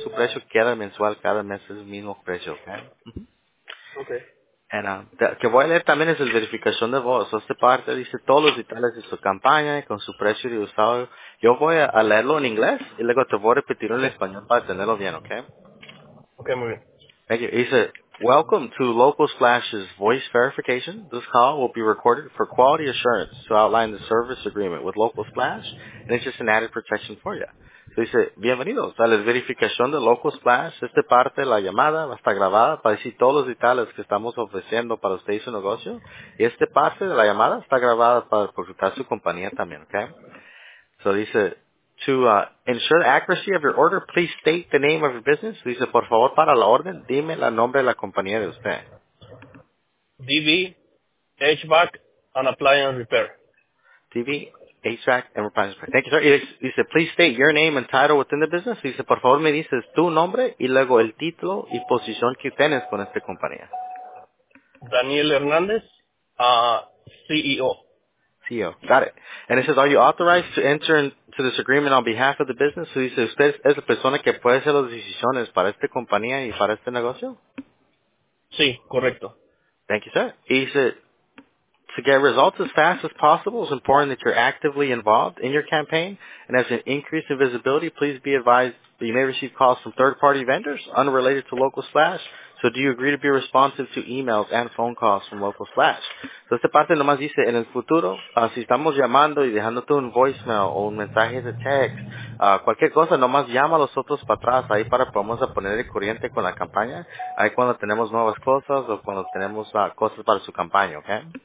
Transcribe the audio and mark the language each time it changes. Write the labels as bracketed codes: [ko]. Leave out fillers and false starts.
[es] Su precio queda mensual cada mes, es el mismo precio. Ok. And, que voy a leer también es el verificación de voz. Esta parte dice todos los detalles de su campaña y con su precio de usado. Yo voy a leerlo en inglés y luego te voy a repetirlo en español para tenerlo bien, ¿ok? Okay, muy bien. [en] Thank you. He said, welcome to Local Splash's voice verification. This call will be recorded for quality assurance to outline the service agreement with Local Splash, and it's just an added protection for you. [es] Dice, bienvenidos a la verificación de Local Splash. Esta parte de la llamada va a estar grabada para decir todos los detalles que estamos ofreciendo para usted y su negocio. Y esta parte de la llamada está grabada para consultar su compañía también, ¿ok? [en] So [es] dice, [en] to ensure the accuracy of your order, please state the name of your business. [es] Dice, por favor, para la orden, dime el nombre de la compañía de usted. [en] DB HVAC and Appliance Repair. DB HVAC and Appliance Repair. Thank you, sir. [es] Dice, [en] please state your name and title within the business. [es] Dice, por favor, me dices tu nombre y luego el título y posición que tienes con esta compañía. [en] Daniel Hernández, CEO. CEO. Got it. And it says, are you authorized to enter into this agreement on behalf of the business? [es] So dice, ¿usted es la persona que puede hacer las decisiones para esta compañía y para este negocio? Sí, correcto. [en] Thank you, sir. He said, to get results as fast as possible, it's important that you're actively involved in your campaign. And as an increase in visibility, please be advised that you may receive calls from third-party vendors unrelated to Local Splash. So do you agree to be responsive to emails and phone calls from Local Splash? [es] So esta parte nomás dice, en el futuro, si estamos llamando y dejándote un voicemail o un mensaje de text, cualquier cosa, nomás llama a los otros para atrás, ahí para podamos poner el corriente con la campaña, ahí cuando tenemos nuevas cosas o cuando tenemos cosas para su campaña, ¿ok?